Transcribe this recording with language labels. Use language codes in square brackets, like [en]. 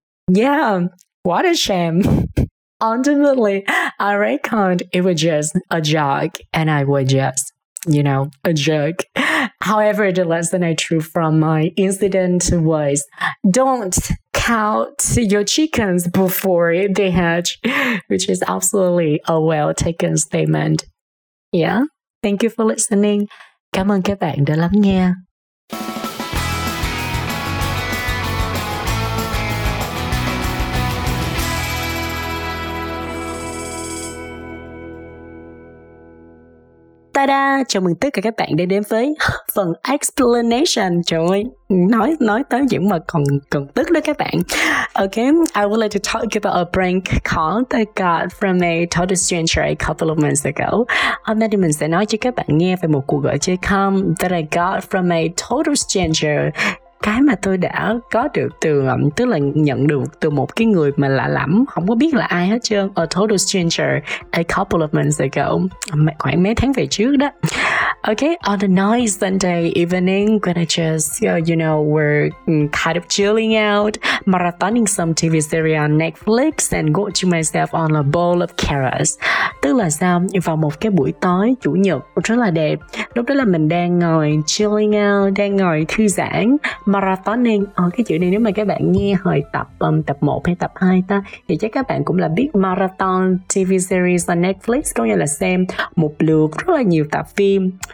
[en] Yeah, what a shame. Ultimately, I reckoned it was just a joke, and I was just, you know, a jerk. However, the lesson I drew from my incident was, don't count your chickens before they hatch, which is absolutely a well-taken statement. Yeah, thank you for listening. [vi] Cảm ơn các bạn đã lắng nghe. Ta-da! Chào mừng tất cả các bạn đến với phần explanation. Trời ơi, nói tới những mà còn tức đó các bạn. [en] Okay, I would like to talk about a prank call that I got from a total stranger a couple of months ago. [vi] Hôm nay thì mình sẽ nói cho các bạn nghe về một cuộc gọi chơi không [en] that I got from a total stranger. [vi] Cái mà tôi đã có được từ, tức là nhận được từ một cái người mà lạ lẫm, không có biết là ai hết trơn. [en] A total stranger a couple of months ago, [vi] khoảng mấy tháng về trước đó. [en] Okay, on a nice Sunday evening, when I just, you know, were kind of chilling out, marathoning some TV series on Netflix and got to myself on a bowl of carrots. [vi] Tức là sao? Vào một cái buổi tối chủ nhật rất là đẹp, lúc đó là mình đang ngồi chilling out, đang ngồi thư giãn, marathoning. Cái chữ này nếu mà các bạn nghe hồi tập tập 1 hay tập 2 ta, thì chắc các bạn cũng là biết [en] marathon TV series on Netflix, [vi] có nghĩa là xem một lượt rất là nhiều tập phim.